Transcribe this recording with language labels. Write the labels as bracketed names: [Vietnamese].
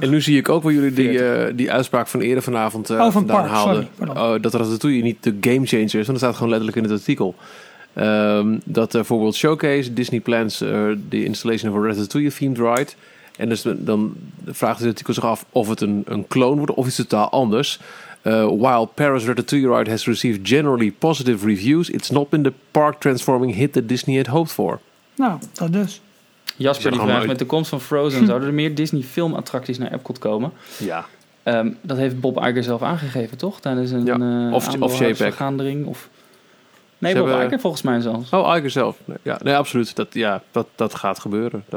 [Dutch] En nu zie ik ook waar jullie die uitspraak van eerder vanavond vandaan haalden. Dat Ratatouille niet de game changer is, want dat staat gewoon letterlijk in het artikel. Dat bijvoorbeeld Showcase, [English] Disney plans de installation of a Ratatouille themed ride. [Dutch] En dus dan vraagt het artikel zich af of het een clone wordt of iets totaal anders. [English] While Paris Ratatouille Ride has received generally positive reviews, it's not been the park-transforming hit that Disney had hoped for. [Dutch] Nou, dat dus. Jasper die vraagt, met de komst van Frozen, zouden er meer Disney-filmattracties naar Epcot komen? Ja. Dat heeft Bob Iger zelf aangegeven, toch? Tijdens een aandeelhoudersvergadering. Nee, Bob Iger volgens mij zelfs. Oh, Iger zelf. Ja, nee, absoluut. Dat gaat gebeuren.